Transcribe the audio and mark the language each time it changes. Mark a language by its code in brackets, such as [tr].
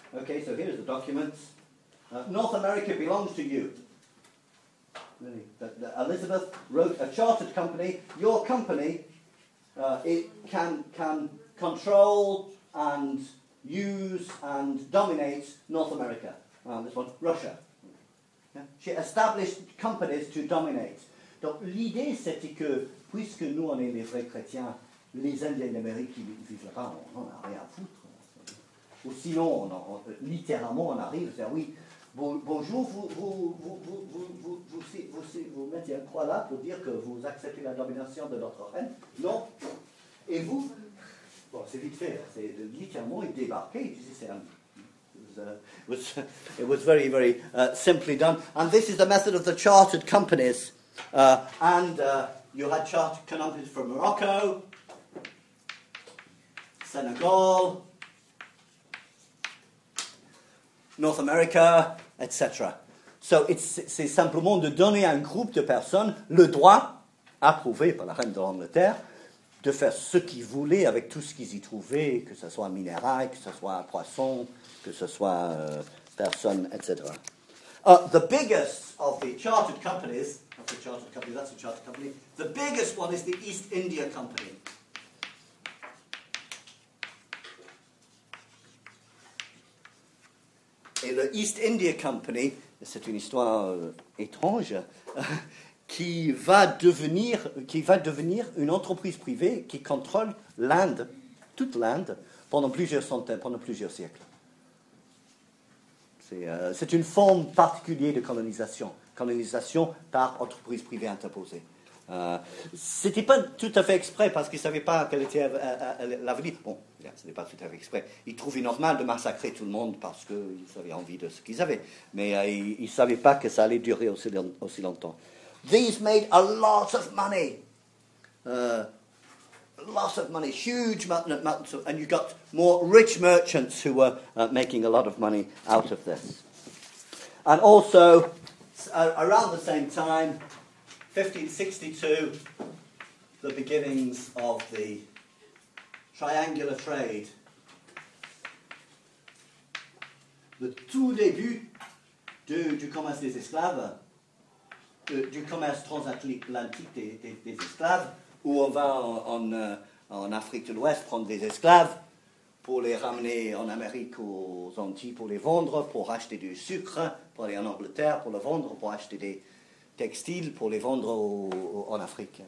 [en] Okay, so here's the documents. North America belongs to you. Really, the Elizabeth wrote a chartered company. Your company, it can control and use and dominate North America. This one, Russia. Yeah. She established companies to dominate. [fr] Donc l'idée c'était que, puisque nous on est les vrais chrétiens, les Indiens d'Amérique ils ne vivent pas, on n'en a rien à foutre. Ou sinon, littéralement on arrive, c'est-à-dire oui, bonjour, vous mettez un croix là pour dire que vous acceptez la domination de notre reine. Non. Et vous, bon, c'est vite fait, c'est littéralement ils débarquaient, ils disaient c'est un... [en] It was very, very simply done. And this is the method of the chartered companies. You had chartered companies from Morocco, Senegal, North America, etc. [fr] So c'est simplement de donner à un groupe de personnes le droit, approuvé par la reine de l'Angleterre, de faire ce qu'ils voulaient avec tout ce qu'ils y trouvaient, que ce soit minéraux, que ce soit poisson, que ce soit personne, etc. [en] The biggest of the chartered companies, not the chartered company, that's a chartered company, the biggest one is the East India Company. [fr] Et le East India Company, c'est une histoire étrange, qui va devenir une entreprise privée qui contrôle l'Inde, toute l'Inde, pendant plusieurs centaines, pendant plusieurs siècles. C'est une forme particulière de colonisation. Colonisation par entreprise privée interposée. Ce n'était pas tout à fait exprès parce qu'ils ne savaient pas quel était l'avenir. Bon, ce n'était pas tout à fait exprès. Ils trouvaient normal de massacrer tout le monde parce qu'ils avaient envie de ce qu'ils avaient. Mais ils ne savaient pas que ça allait durer aussi longtemps. [en] These made a lot of money. Lots of money, huge amounts of, and you got more rich merchants who were making a lot of money out of this. And also, around the same time, 1562, the beginnings of the triangular trade. [fr] Le tout début du commerce des esclaves, du commerce transatlantique des esclaves, où on va en Afrique de l'Ouest prendre des esclaves pour les ramener en Amérique aux Antilles pour les vendre, pour acheter du sucre, pour aller en Angleterre pour le vendre, pour acheter des textiles pour les vendre en Afrique.